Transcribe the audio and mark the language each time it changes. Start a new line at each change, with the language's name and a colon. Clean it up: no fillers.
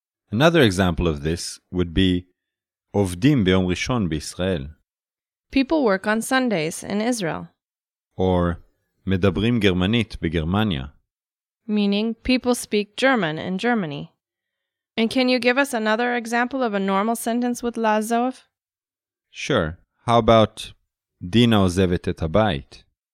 English: Another example of this would be
Hebrew: עובדים ביום ראשון בישראל.
English: People work on Sundays in Israel. Or
Hebrew: מדברים גרמנית בגרמניה.
English: Meaning, people speak German in Germany. And can you give us another example of a normal sentence with לעזוב? Sure. How about
Hebrew: דינה עוזבת את הבית?